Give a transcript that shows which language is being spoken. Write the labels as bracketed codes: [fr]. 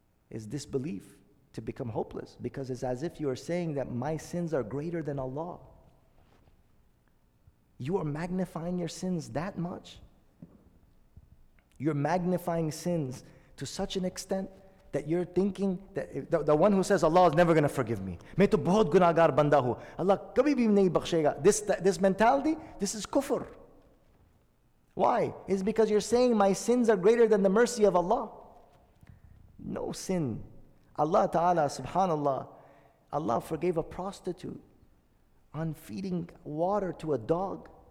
[en] Is disbelief to become hopeless. Because it's as if you are saying that my sins are greater than Allah. You are magnifying your sins that much. You're magnifying sins to such an extent that you're thinking that the one who says Allah is never going to forgive me. [ur] میں تو بہت گناہگار بندہ ہوں۔ اللہ کبھی بھی نہیں بخشے گا۔ [en] This mentality, this is kufr. Why? It's because you're saying my sins are greater than the mercy of Allah. No sin. Allah Ta'ala, subhanAllah, Allah forgave a prostitute on feeding water to a dog.